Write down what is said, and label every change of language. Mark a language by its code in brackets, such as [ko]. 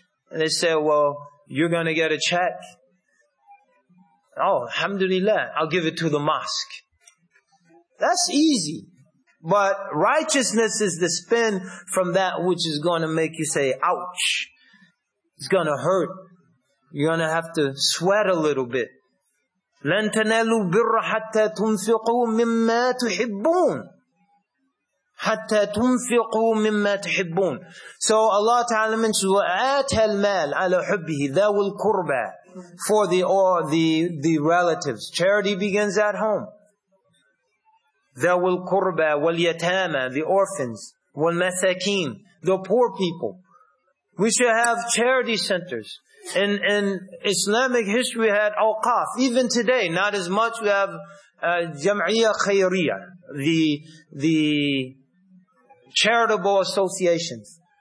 [en] And they said, well, you're going to get a check. Oh, alhamdulillah, I'll give it to the mosque. That's easy. But righteousness is the spin from that which is going to make you say, ouch. It's going to hurt. You're going to have to sweat a little bit. [ar] لَن تَنَالُوا بِرَّ حَتَّى تُنْفِقُوا مِمَّا تُحِبُّونَ حَتَّى تُنْفِقُوا مِمَّا تُحِبُّونَ [en] So Allah Ta'ala mentions, [ar] وَآتَ الْمَالَ عَلَى حُبِّهِ ذَوِ الْقُرْبَى [en] For the relatives. Charity begins at home. [ar] ذَوِ الْقُرْبَى وَالْيَتَامَى [en] The orphans. [ar] وَالْمَسَاكِينَ [en] The poor people. We should have charity centers. In Islamic history, we had awqaf. Even today, not as much, we have [ar] جَمْعِيَ خَيْرِيَ [en] The charitable associations.